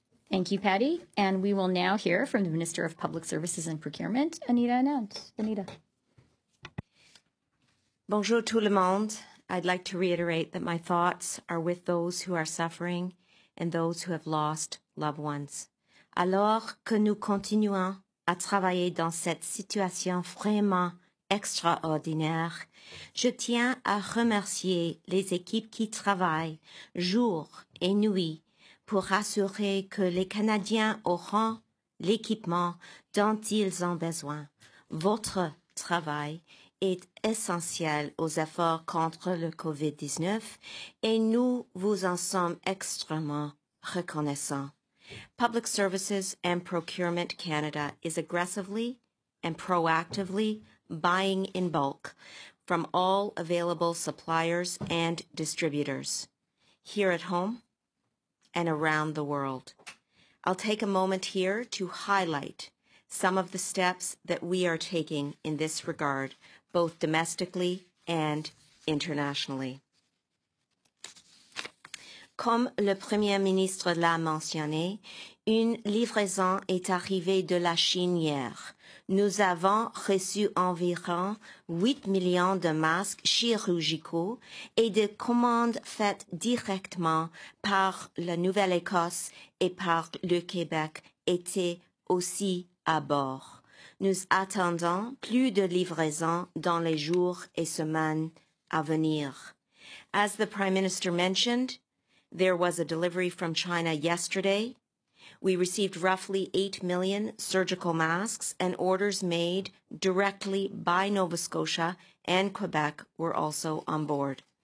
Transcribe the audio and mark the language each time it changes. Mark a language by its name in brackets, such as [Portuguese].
[English] Thank you, Patty. And we will now hear from the Minister of Public Services and Procurement, Anita Anand. Anita. [French] Bonjour tout le monde. [English] I'd like to reiterate that my thoughts are with those who are suffering and those who have lost loved ones. [French] Alors que nous continuons à travailler dans cette situation vraiment extraordinaire, je tiens à remercier les équipes qui travaillent jour et nuit pour assurer que les Canadiens auront l'équipement dont ils ont besoin. Votre travail est essentiel aux efforts contre le COVID-19 et nous vous en sommes extrêmement reconnaissants. [English] Public Services and Procurement Canada is aggressively and proactively buying in bulk from all available suppliers and distributors here at home and around the world. I'll take a moment here to highlight some of the steps that we are taking in this regard, both domestically and internationally. [French] Comme le Premier ministre l'a mentionné, une livraison est arrivée de la Chine hier. Nous avons reçu environ 8 millions de masques chirurgicaux et de commandes faites directement par la Nouvelle-Écosse et par le Québec étaient aussi à bord. Nous attendons plus de livraisons dans les jours et semaines à venir. [English] As the Prime Minister mentioned, there was a delivery from China yesterday. We received roughly 8 million surgical masks, and orders made directly by Nova Scotia and Quebec were also on board.